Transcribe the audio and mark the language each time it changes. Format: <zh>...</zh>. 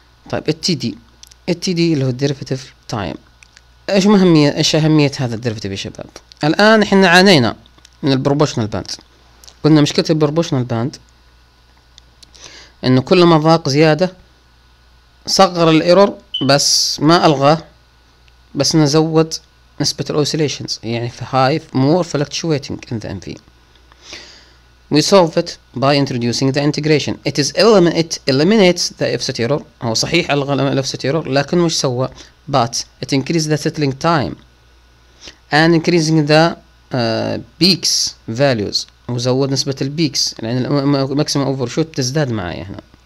<ar>طيب التي دي اللي هو الديرفاتيف تايم، ايش مهمية، ايش أهمية هذا الديرفاتيف يا شباب؟ الآن احنا عانينا من البروبوشنال باند، قلنا مشكلة البروبوشنال باند انه كل ما ضاق زيادة صغر الايرور بس ما ألغاه، بس نزود نسبة الاوسيليشنز، يعني</ar> <en>في high more fluctuating in the um في. We solve it by introducing the integration. It eliminates the offset error.</en> <ar>هو صحيح ألغى offset error، لكن مش سوى.</ar> <en>But it increases the settling time and increasing the peaks values.</en> <ar>وزود نسبة البيكس، يعني maximum overshoot تزداد معايا هنا.</ar>